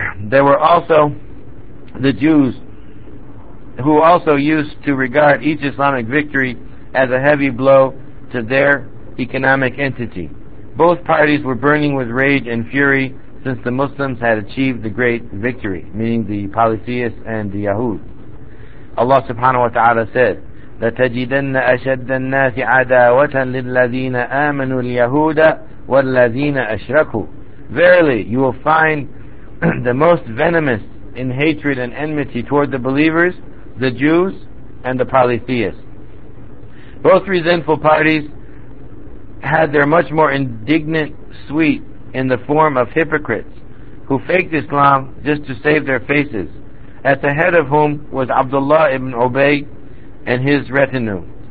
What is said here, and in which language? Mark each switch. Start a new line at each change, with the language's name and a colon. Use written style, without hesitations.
English: There were also the Jews, who also used to regard each Islamic victory as a heavy blow to their economic entity. Both parties were burning with rage and fury since the Muslims had achieved the great victory, meaning the polytheists and the Yahud.
Arabic: Allah subhanahu wa ta'ala said, لَتَجِدَنَّ أَشَدَّ النَّاسِ عَدَاوَةً لِلَّذِينَ آمَنُوا الْيَهُودَ وَالَّذِينَ أَشْرَكُوا.
English: Verily, you will find the most venomous in hatred and enmity toward the believers, the Jews, and the polytheists. Both resentful parties had their much more indignant suite in the form of hypocrites who faked Islam just to save their faces, at the head of whom was Abdullah ibn Ubay and his retinue.